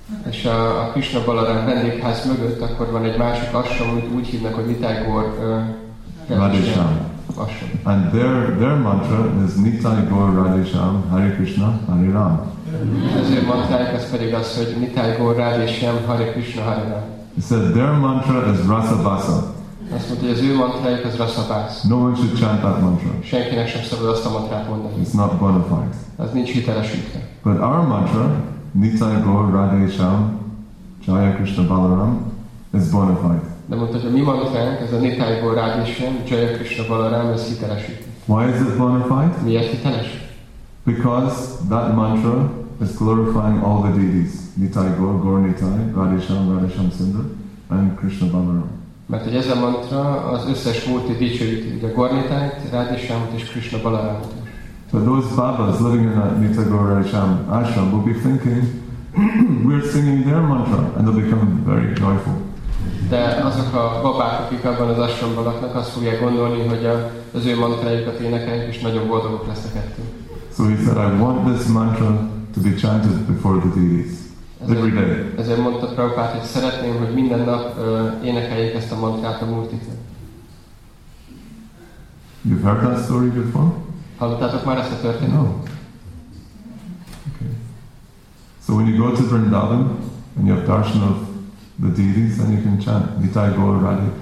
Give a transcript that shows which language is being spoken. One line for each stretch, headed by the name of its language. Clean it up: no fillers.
Hungarian: És a Krishna Balaram vendégház mögött akkor van egy másik ashram, amit úgy hívnak, hogy Nitai Gaur Radhe Shyam.
English: And their mantra is Nitai Gaur Radhe Shyam Hare Krishna Hare Ram.
Hungarian: Az ő mantrájuk az pedig az, hogy Nitai Gaur Radhe Shyam Hare Krishna Hare Ram.
English: He said their mantra is Rasa Basa.
Hungarian: Azt mondta, hogy az ő mantrájuk az Rasa Basa.
English: No one should chant that mantra.
Hungarian: Senkinek sem szabad azt a mantrát mondani.
English: It's not bona fide.
Hungarian: Az nincs hitelesítve.
English: But our mantra, Nitai Gaur Radhe Shyam Jaya Krishna Balaram, is bona fide.
Hungarian: De mondta, hogy a mi mantránk, ez a Nitai Gaur Radhe Shyam, Jaya Krishna Balaram, ez hitelesítve.
English: Why is it bona fide?
Hungarian: Miért hiteles?
English: Because that mantra is glorifying all the deities, Nitai Gaur, Gaur Nitai, Radhesham, Radhesham Sundar, and Krishna Balaram.
Hungarian: Mert hogy ez a mantra az összes múlti dicsőíti, de Gaur Nitait, Radhesham-t és Krishna Balaramot.
English: So those babas living in that Nitai Gaur Radhesham ashram will be thinking, we're singing their mantra, and they'll become very joyful.
Hungarian: De azok a babák, akik abban az ashramban laknak, azt fogják gondolni, hogy az ő mantrájukat énekeljük, és nagyon boldogok lesznek ettől.
English: So he said, I want this mantra to be chanted before the deities, every day.
Hungarian: Ezért mondta Prabhupát, hogy szeretném, hogy minden nap énekeljék ezt a mantrát a múltitől.
English: You've heard that story before?
Hungarian: Hallottátok már ezt a történet?
English: No. Okay. So when you go to Vrindavan, and you have darshan of the deities, then you can chant Nitai Gaur Radhe.